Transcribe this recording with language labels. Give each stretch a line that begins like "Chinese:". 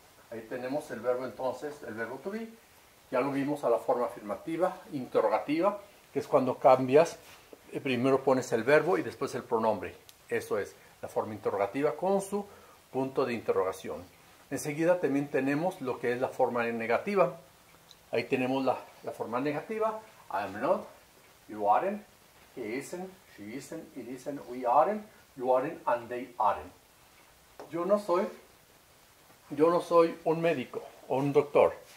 Spanish: Ahí tenemos el verbo entonces, el verbo to be. Ya lo vimos a la forma afirmativa, interrogativa, que es cuando cambias, primero pones el verbo y después el pronombre. Eso es la forma interrogativa con su punto de interrogación. Enseguida también tenemos lo que es la forma negativa. Ahí tenemos la forma negativa.
English: I am not, you aren't, he isn't, she isn't, it isn't, we aren't, you aren't, and they aren't.
Spanish: Yo no soy un médico o un doctor.